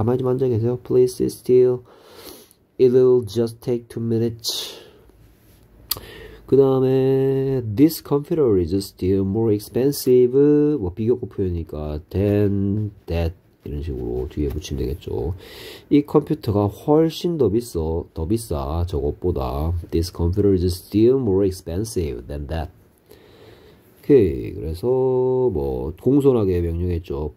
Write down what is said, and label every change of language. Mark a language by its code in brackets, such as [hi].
[ko] 가만히 좀 앉아 계세요. [en] Please sit still. It'll just take 2 minutes. [ko] 그 다음에 [en] this computer is still more expensive. [ko] 뭐 비교급 표현이니까 than that 이런 식으로 뒤에 붙이면 되겠죠. 이 컴퓨터가 훨씬 더 비싸. 더 비싸. 저것보다. [en] This computer is still more expensive than that. [ko] 오케이. 그래서 뭐 공손하게 명령했죠.